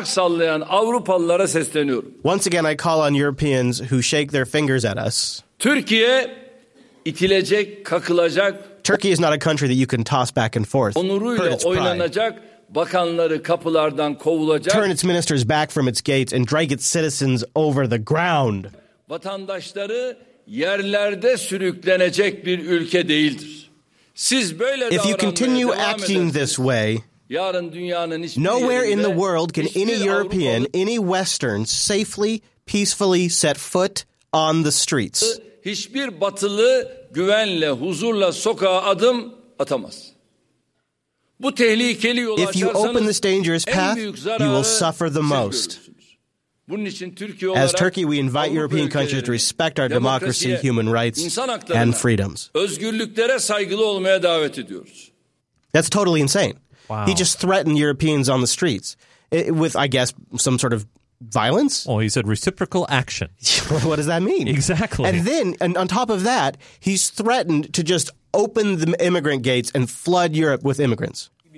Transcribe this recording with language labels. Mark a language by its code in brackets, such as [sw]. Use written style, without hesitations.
[en] Once again, I call on Europeans who shake their fingers at us. [tr] Türkiye itilecek, kakılacak. [en] Turkey is not a country that you can toss back and forth. [tr] Onuruyla oynanacak, bakanları kapılardan kovulacak. [en] Turn its ministers back from its gates and drag its citizens over the ground. [tr] Vatandaşları yerlerde sürüklenecek bir ülke değildir. Siz böyle [en] if you continue acting this way, nowhere in the world can any European, any Western, safely, peacefully set foot on the streets. [tr] Hiçbir Batılı güvenle, huzurla sokağa adım atamaz. Bu tehlikeli yol [en] if you open this dangerous path, you will suffer the most. As Turkey, we invite European countries to respect our democracy, human rights, and freedoms. [tr] Özgürlüklere saygılı olmaya davet ediyoruz. [en] That's totally insane. Wow. He just threatened Europeans on the streets with, I guess, some sort of violence. Well, he said reciprocal action. What does that mean? Exactly. And then on top of that, he's threatened to just open the immigrant gates and flood Europe with immigrants.